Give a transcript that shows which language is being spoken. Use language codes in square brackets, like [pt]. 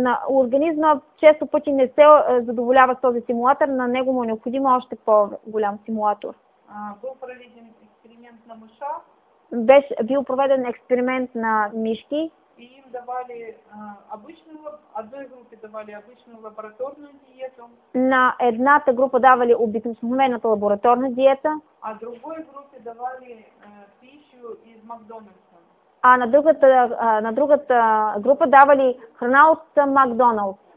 [bg] Организма често пъти не се задоволява с този стимулятор, на него му е необходим още по-голям стимулятор. [ru] Был проведен эксперимент на мышах. [bg] Бил проведен эксперимент на мишки. [ru] И им давали одной группе давали обычную лабораторную диету. [bg] На едната група давали обикновената лабораторна диета. [ru] А другой группе давали пищу из Макдоналдса. [bg] А на другата група давали храна от Макдоналдс.